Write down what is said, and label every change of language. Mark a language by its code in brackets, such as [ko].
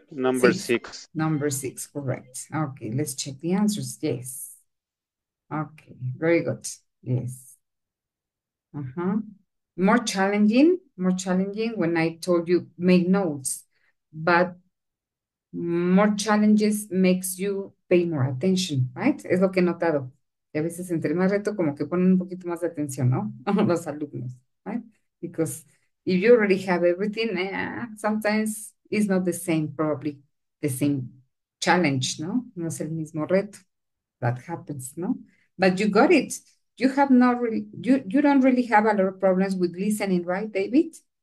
[en] Number six, correct. Okay, let's check the answers. Yes. Okay, very good. Yes. More challenging when I told you make notes, but more challenges makes you pay more attention, right? [es] Es lo que he notado. Y a veces entre más reto, como que ponen un poquito más de atención, ¿no? Los alumnos, right? [en] Because if you already have everything, sometimes it's not the same, probably the same challenge, ¿no? [es] No es el mismo reto. [en] That happens, ¿no? But you got it. You have not really, you don't really have a lot of problems with listening, right, David?